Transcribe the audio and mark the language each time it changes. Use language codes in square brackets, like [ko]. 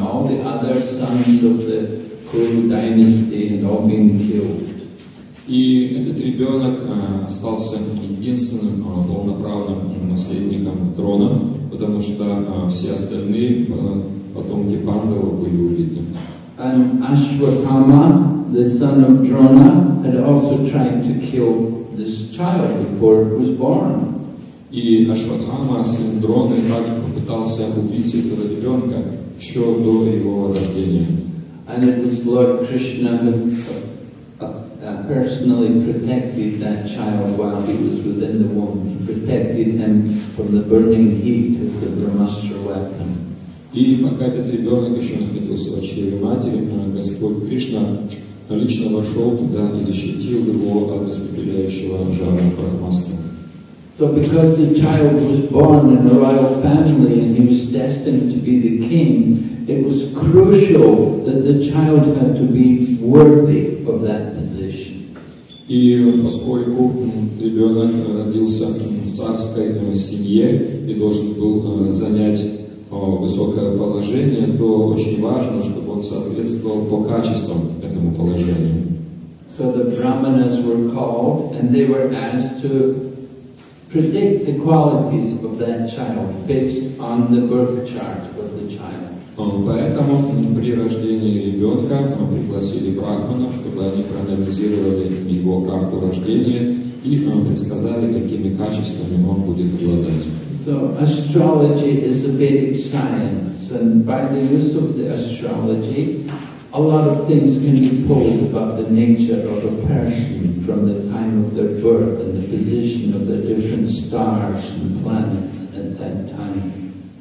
[en] All the other sons of the Kuru dynasty had all been killed. [ru] И этот ребенок остался единственным полноправным наследником трона, потому что все остальные потомки Пандава были убиты. [en] And Ashwatthama, the son of Drona, had also tried to kill this child before it was born. [ru] И Ашватхама, сын Дроны, также попытался убить этого ребенка еще до его рождения. [en] And it was Lord Krishna who personally protected that child while he was within the womb. He protected him from the burning heat of the Brahmastra weapon. [ru] И пока этот ребенок еще находился в чреве матери, Господь Кришна лично вошел туда и защитил его от испепеляющего жара Брахмастра. [en] So because the child was born in a royal family and he was destined to be the king, it was crucial that the child had to be worthy of that position. [ru] И поскольку ребенок родился в царской семье и должен был занять высокое положение, то очень важно, чтобы он соответствовал по качествам этому положению. [en] So the brahmanas were called and they were asked to predict the qualities of that child based on the birth chart of the child. [ru] Поэтому при рождении ребенка пригласили брахманов, чтобы они проанализировали его карту рождения и предсказали, какими качествами он будет обладать. [en] So astrology is a Vedic science, and by the use of the astrology, a lot of things can be told about the nature of a person from the time of their birth and the position of the different stars and planets at that time.